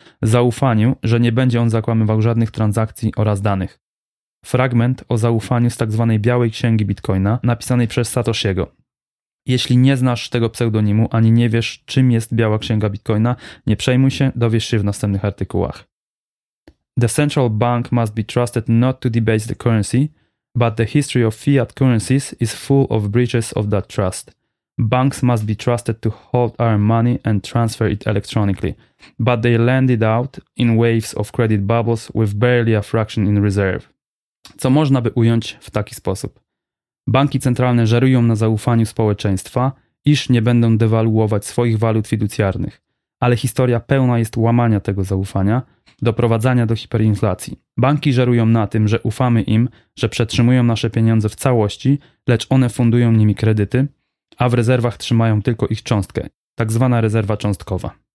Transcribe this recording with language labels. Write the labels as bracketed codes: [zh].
[pl] Zaufaniu, że nie będzie on zakłamywał żadnych transakcji oraz danych. Fragment o zaufaniu z tak zwanej białej księgi Bitcoina, napisanej przez Satoshiego. Jeśli nie znasz tego pseudonimu, ani nie wiesz, czym jest biała księga Bitcoina, nie przejmuj się, dowiesz się w następnych artykułach. [en] The central bank must be trusted not to debase the currency, but the history of fiat currencies is full of breaches of that trust. Banks must be trusted to hold our money and transfer it electronically, but they lend it out in waves of credit bubbles with barely a fraction in reserve. [pl] Co można by ująć w taki sposób? Banki centralne żerują na zaufaniu społeczeństwa, iż nie będą dewaluować swoich walut fiducjarnych, ale historia pełna jest łamania tego zaufania, doprowadzania do hiperinflacji. Banki żerują na tym, że ufamy im, że przetrzymują nasze pieniądze w całości, lecz one fundują nimi kredyty, a w rezerwach trzymają tylko ich cząstkę, tak zwana rezerwa cząstkowa.